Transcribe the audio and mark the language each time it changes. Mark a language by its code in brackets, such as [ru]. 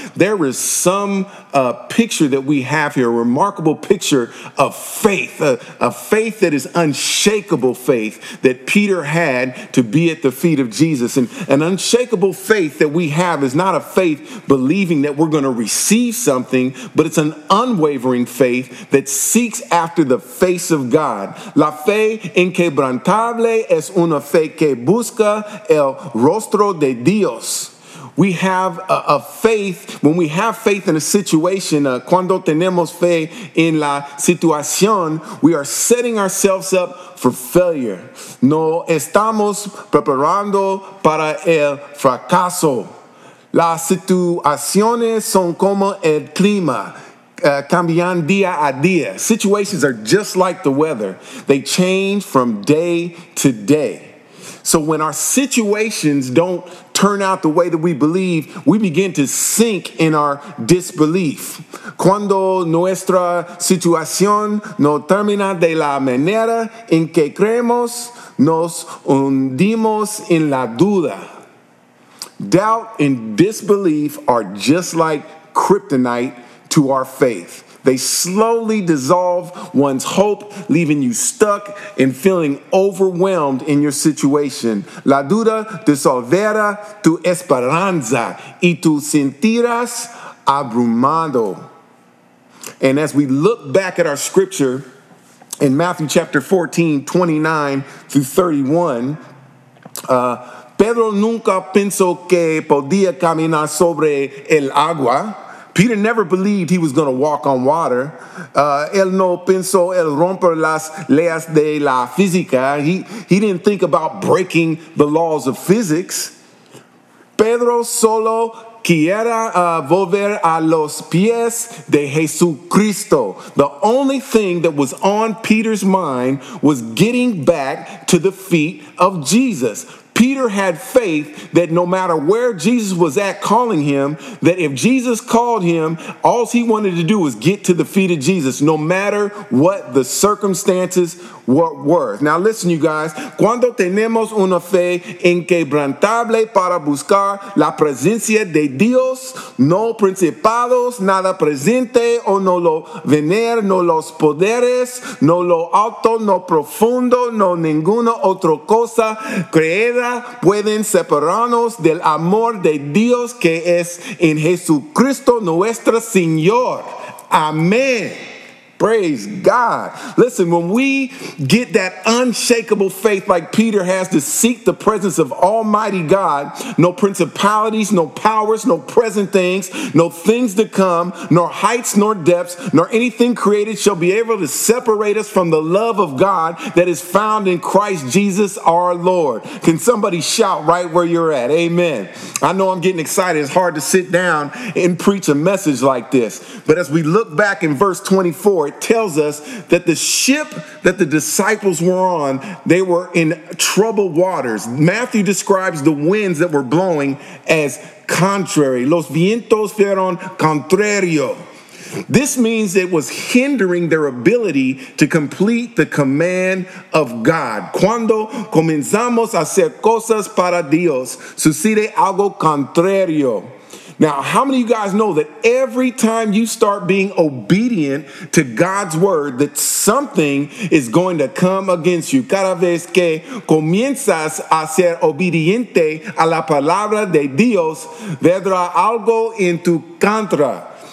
[en] There is some picture that we have here, a remarkable picture of faith, a faith that is unshakable faith that Peter had to be at the feet of Jesus. And an unshakable faith that we have is not a faith believing that we're going to receive something, but it's an unwavering faith that seeks after the face of God. [es] La fe inquebrantable es una fe que busca el rostro de Dios. [en] We have a faith, when we have faith in a situation, [es] cuando tenemos fe en la situación, [en] we are setting ourselves up for failure. [es] No estamos preparando para el fracaso. Las situaciones son como el clima. Cambian día a día. [en] Situations are just like the weather. They change from day to day. So when our situations don't turn out the way that we believe, we begin to sink in our disbelief. [es] Cuando nuestra situación no termina de la manera en que creemos, nos hundimos en la duda. [en] Doubt and disbelief are just like kryptonite to our faith. They slowly dissolve one's hope, leaving you stuck and feeling overwhelmed in your situation. [es] La duda disolverá tu esperanza y tú sentirás abrumado. [en] And as we look back at our scripture in Matthew chapter 14, 29 through 31, [es] Pedro nunca pensó que podía caminar sobre el agua. [en] Peter never believed he was going to walk on water. [es] Él no pensó el romper las leyes de la física. [en] He didn't think about breaking the laws of physics. [es] Pedro solo quiera volver a los pies de Jesucristo. [en] The only thing that was on Peter's mind was getting back to the feet of Jesus. Peter had faith that no matter where Jesus was at calling him, that if Jesus called him, all he wanted to do was get to the feet of Jesus, no matter what the circumstances were. Now listen, you guys, [es] cuando tenemos una fe inquebrantable para buscar la presencia de Dios, no principados, nada presente o no lo venir, no los poderes, no lo alto, no profundo, no ninguna otra cosa creada pueden separarnos del amor de Dios que es en Jesucristo nuestro Señor. [en] Amén. Praise God. Listen, when we get that unshakable faith like Peter has to seek the presence of Almighty God, no principalities, no powers, no present things, no things to come, nor heights, nor depths, nor anything created shall be able to separate us from the love of God that is found in Christ Jesus our Lord. Can somebody shout right where you're at? Amen. I know I'm getting excited. It's hard to sit down and preach a message like this. But as we look back in verse 24, it tells us that the ship that the disciples were on, they were in troubled waters. Matthew describes the winds that were blowing as contrary. [es] Los vientos fueron contrario. [en] This means it was hindering their ability to complete the command of God. [es] Cuando comenzamos a hacer cosas para Dios, sucede algo contrario. [en] Now, how many of you guys know that every time you start being obedient to God's word, that something is going to come against you? [es] Cada vez que comienzas a ser obediente a la palabra de Dios, vendrá algo en tu contra.